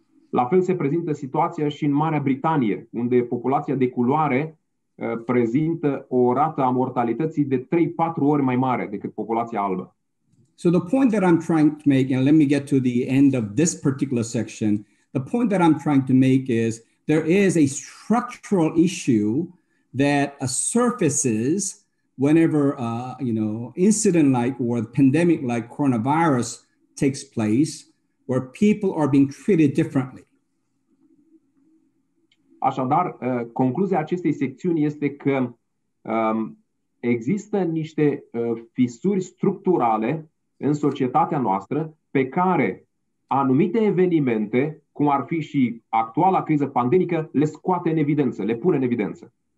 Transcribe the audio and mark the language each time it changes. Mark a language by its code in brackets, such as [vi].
[ro] La fel se prezintă situația și în Marea Britanie, unde populația de culoare prezintă o rată a mortalității de 3-4 ori mai mare decât populația albă. [en] So the point that I'm trying to make, and let me get to the end of this particular section, the point that I'm trying to make is there is a structural issue that surfaces whenever, incident-like or pandemic-like coronavirus takes place, where people are being treated differently. [ro] Așadar, concluzia acestei secțiuni este că există niște fisuri structurale în societatea noastră pe care anumite evenimente, cum ar fi și actuala criză pandemică, le scoate în evidență, le pune în evidență.